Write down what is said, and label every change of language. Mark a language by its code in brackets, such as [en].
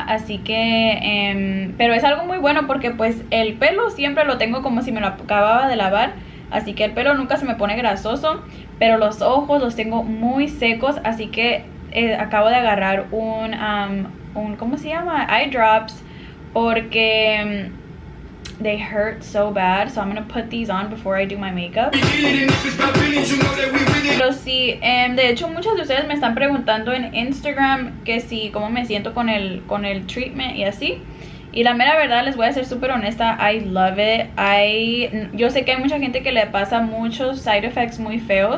[es] Así que, pero es algo muy bueno, porque pues el pelo siempre lo tengo como si me lo acababa de lavar, así que el pelo nunca se me pone grasoso, pero los ojos los tengo muy secos. Así que acabo de agarrar un ¿cómo se llama? [en] Eye drops, [es] porque [en] they hurt so bad. So I'm gonna put these on before I do my makeup. [es] Pero sí, de hecho muchas de ustedes me están preguntando en Instagram que si, cómo me siento con el treatment y así. Y la mera verdad, les voy a ser súper honesta, [en] I love it. [es] Yo sé que hay mucha gente que le pasa muchos side effects muy feos.